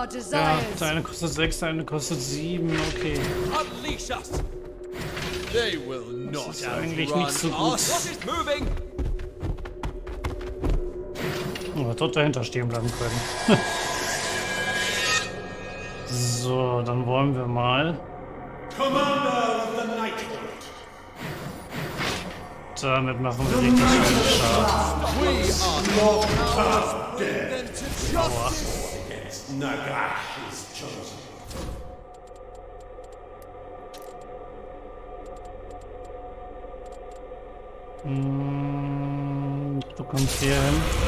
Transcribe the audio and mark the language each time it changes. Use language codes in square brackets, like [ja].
[de] Ja, der eine kostet 6, der eine kostet 7, okay. [en] Unleash us. They will not. [de] Das ist eigentlich nicht so gut. Oh, tot dahinter stehen bleiben können. So, dann wollen wir mal. [en] Commander of the Nightlord. [de] Damit machen wir richtig schönen Schaden. Aua. Du kommst hier hin.